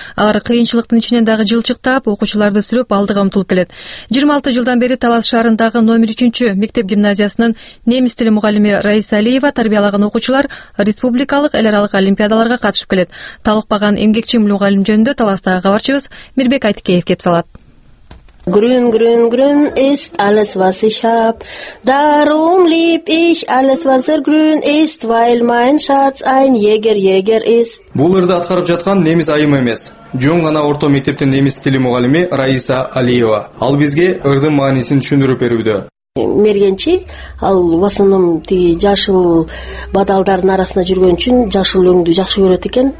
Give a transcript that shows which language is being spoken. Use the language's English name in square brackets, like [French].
[Kyrgyz] Алар кыйынчылыктын ичинен дагы жылчыктап, окуучуларды сүрөп алдыга умтулуп келет. 26 жылдан бери Талас шаарындагы номер 3-чү мектеп-гимназиясынын немис тили мугалими Раиса Алиева тарбиялаган окуучулар республикалык эл аралык олимпиадаларга катышып келет. Талыкпаган эмгекчи мугалим жөнүндө Таластагы кабарчыбыз Мирбек Айткеев кеп салат. [German] Grün, grün, grün ist alles, was ich hab. Darum lieb ich alles, was grün ist, weil mein Schatz ein Jäger, Jäger ist. [Kyrgyz] Бул ырды аткарып жаткан немис айым эмес. Жөн гана орто мектептин немис тили мугалими Раиса Алиева. Ал бизге ырдын маанисин түшүндүрүп берүүдө. Мергенчи, ал [Russian] в основном [Kyrgyz] тиги жашыл бадалдардын арасында жүргөнчүн жашыл өңдү жакшы көрөт экен.